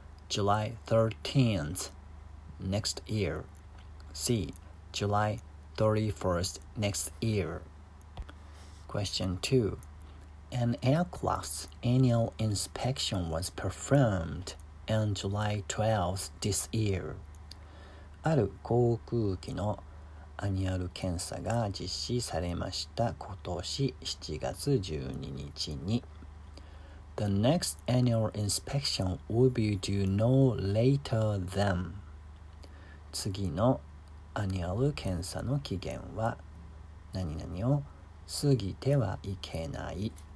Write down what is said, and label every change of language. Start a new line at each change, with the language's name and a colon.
English: July 13th next year. C. July 31st next year. Question 2. An aircraft's annual inspection was performed on July 12th this year.
Japanese: ある航空機のアニュアル検査が実施されました今年7月12日に。
English: The next annual inspection will be due no later than.
Japanese: 次のアニュアル検査の期限は何々を過ぎてはいけない。